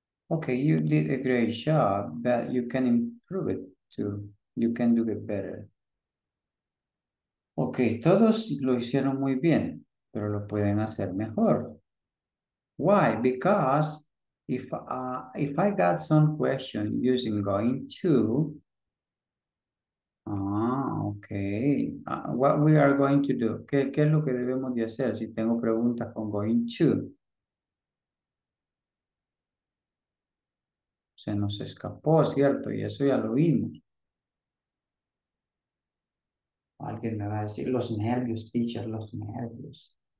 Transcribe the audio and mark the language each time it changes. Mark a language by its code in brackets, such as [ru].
[en] Okay, you did a great job, but you can improve it too. You can do it better. [es] Okay, todos lo hicieron muy bien, pero lo pueden hacer mejor. [en] Why? Because if I got some question using going to, okay, what we are going to do? [es] ¿Qué es lo que debemos de hacer si tengo preguntas con going to? Se nos escapó, ¿cierto? Y eso ya lo vimos. Alguien me va a decir, los nervios, teacher, los nervios.